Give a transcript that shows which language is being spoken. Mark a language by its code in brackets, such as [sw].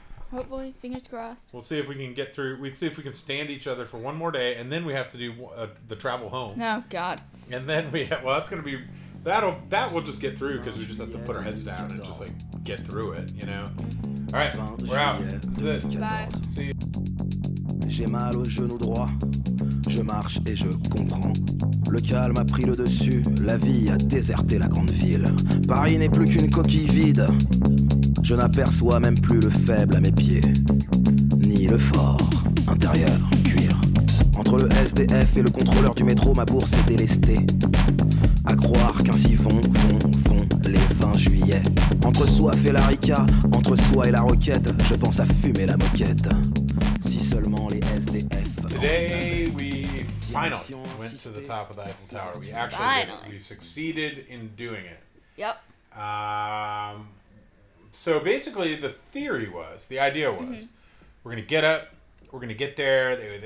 [en] Hopefully. Fingers crossed. We'll see if we can get through. We'll see if we can stand each other for one more day, and then we have to do the travel home. Oh, God. And then we have... Well, that's going to be... That will just get through because we just have to put our heads down and just, like, get through it, you know? All right. We're out. Bye. See you. [fr] J'ai mal au genou droit, je marche et je comprends. Le calme a pris le dessus, la vie a déserté la grande ville. Paris n'est plus qu'une coquille vide. Je n'aperçois même plus le faible à mes pieds, ni le fort intérieur en cuir. Entre le SDF et le contrôleur du métro, ma bourse est délestée. À croire qu'ainsi vont les 20 juillet. Entre soif et la rica, entre soi et la roquette, je pense à fumer la moquette. [en] Today we finally went to the top of the Eiffel Tower. We actually we succeeded in doing it. Yep. So basically the theory was, the idea was, mm-hmm. we're going to get up, we're going to get there.